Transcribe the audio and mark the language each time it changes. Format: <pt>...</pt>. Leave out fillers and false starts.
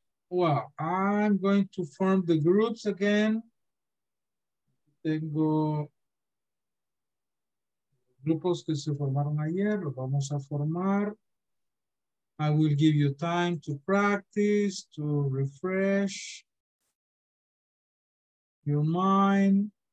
<en>Well, I'm going to form the groups again.</en> <es>Tengo grupos que se formaron ayer, los vamos a formar.</es> <en>I will give you time to practice, to refresh your mind.</en>